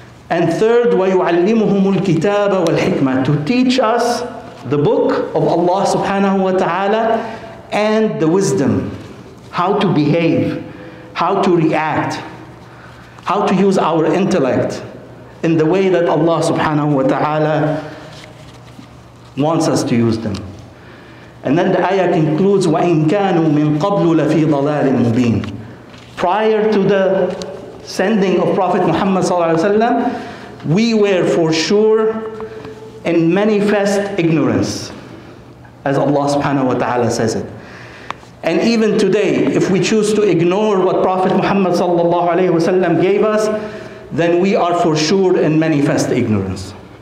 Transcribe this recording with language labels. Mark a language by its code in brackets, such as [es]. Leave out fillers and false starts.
[en] And third, [ar] وَيُعَلِّمُهُمُ الْكِتَابَ وَالْحِكْمَةِ, [en] to teach us the book of Allah subhanahu wa ta'ala and the wisdom, how to behave, how to react, how to use our intellect in the way that Allah subhanahu wa ta'ala wants us to use them. And then the ayah concludes, [ar] وَإِن كَانُوا مِن قَبْلُ لَفِي ضَلَالٍ مُبِينٍ. [en] Prior to the sending of Prophet Muhammad sallallahu alayhi wa sallam, we were for sure in manifest ignorance, as Allah subhanahu wa ta'ala says it. And even today, if we choose to ignore what Prophet Muhammad sallallahu alayhi wa sallam gave us, then we are for sure in manifest ignorance.